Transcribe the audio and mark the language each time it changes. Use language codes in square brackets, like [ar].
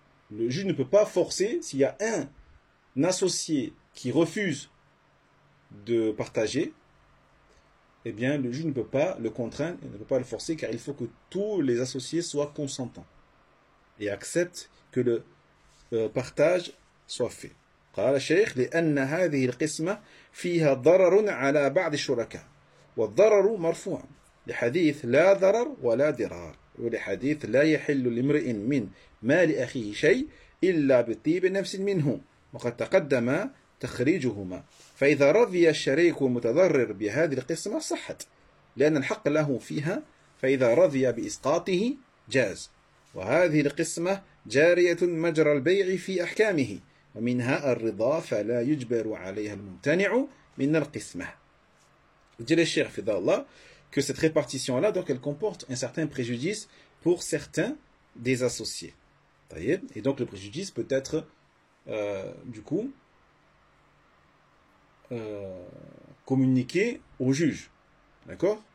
[fr] Le juge ne peut pas forcer, s'il y a un associé qui refuse de partager, eh bien, le juge ne peut pas le contraindre, il ne peut pas le forcer, car il faut que tous les associés soient consentants et acceptent que le partage soit fait. [ar] قال الشيخ لأن هذه القسمة فيها ضرر على بعض الشركاء والضرر مرفوع لحديث لا ضرر ولا ضرار ولحديث لا يحل لامرئ من مال أخيه شيء إلا بطيب نفس منه وقد تقدم تخريجهما فإذا رضي الشريك المتضرر بهذه القسمة صحت لأن الحق له فيها فإذا رضي بإسقاطه جاز وهذه القسمة جارية مجرى البيع في أحكامه ومنها الرضا فلا يجبر عليها الممتنع من القسمة. [fr] Dit le cheikh Fidallah que cette répartition-là, donc, elle comporte un certain préjudice pour certains des associés. Et donc le préjudice peut être du coup communiqué au juge, d'accord?